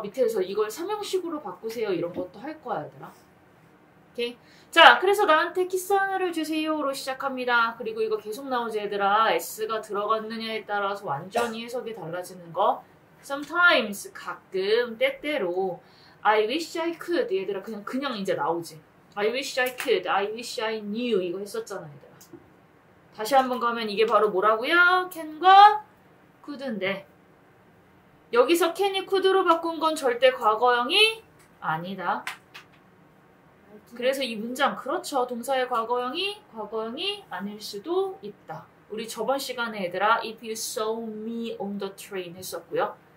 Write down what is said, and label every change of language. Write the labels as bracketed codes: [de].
[ko] 밑에서 이걸 삼형식으로 바꾸세요. 이런 것도 할 거야, 얘들아. 오케이. 자, 그래서 나한테 키스 하나를 주세요로 시작합니다. 그리고 이거 계속 나오지, 얘들아. S가 들어갔느냐에 따라서 완전히 해석이 달라지는 거. [en] Sometimes, [ko] 가끔, 때때로. [en] I wish I could, [ko] 얘들아. 그냥 이제 나오지. [en] I wish I could, I wish I knew. [ko] 이거 했었잖아, 얘들아. 다시 한번 가면 이게 바로 뭐라고요? Can과 could인데. 여기서 캔이 쿠드로 바꾼 건 절대 과거형이 아니다. 그래서 이 문장, 그렇죠. 동사의 과거형이 아닐 수도 있다. 우리 저번 시간에 얘들아, [en] if you saw me on the train [ko] 했었고요.